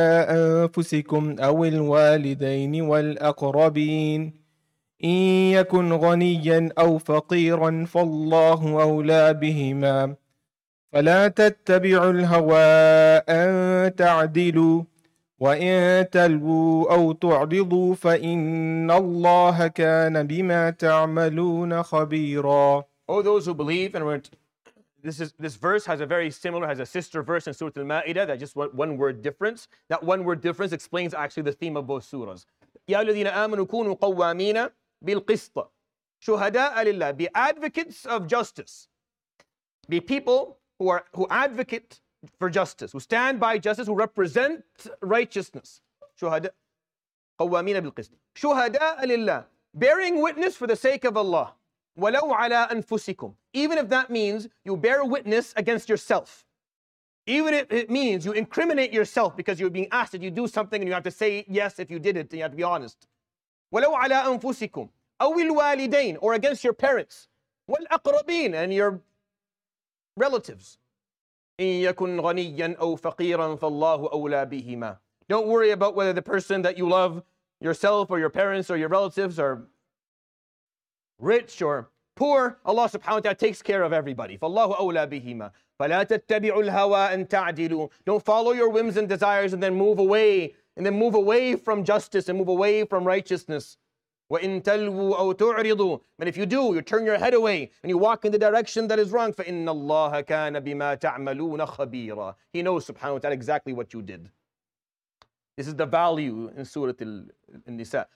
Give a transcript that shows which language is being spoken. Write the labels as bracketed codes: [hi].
[ar] أنفسكم أو الوالدين والأقربين إن يكن غنيا أو فقيرا فالله أولى بهما فلا تتبعوا الهوى أن تعدلوا وإن تلووا أو تعرضوا فإن الله كان بما تعملون خبيرا. [en] Oh, those who believe, and this verse has a sister verse in Surah Al-Ma'idah, that just one word difference. That one word difference explains actually the theme of both surahs. [ar] يا الذين آمنوا كونوا قوامين بالقسط شهداء لله. [en] Be advocates of justice. Be people who advocate for justice, who stand by justice, who represent righteousness. [ar] شهداء قوامين بالقسط شهداء لله. [en] Bearing witness for the sake of Allah. [ar] ولو على أنفسكم. [en] Even if that means you bear witness against yourself. Even if it means you incriminate yourself because you're being asked that you do something and you have to say yes if you did it, and you have to be honest. [ar] ولو على أنفسكم أو الوالدين, [en] or against your parents. [ar] والأقربين, [en] and your relatives. [ar] إن يكن غنيا أو فقيرا فالله أولى بهما. [en] Don't worry about whether the person that you love, yourself or your parents or your relatives, are rich or poor. Allah subhanahu wa ta'ala takes care of everybody. [ar] فالله أولى بهما. فلا تتبعوا الهوى أن تعدلوا. [en] Don't follow your whims and desires and then move away from justice and move away from righteousness. [ar] وَإِن تَلْوُوا أَوْ تُعْرِضُوا. [en] But if you do, you turn your head away and you walk in the direction that is wrong. [ar] فَإِنَّ اللَّهَ كَانَ بِمَا تَعْمَلُونَ خَبِيرًا. [en] He knows subhanahu wa ta'ala exactly what you did. This is the value in Surah Al-Nisa.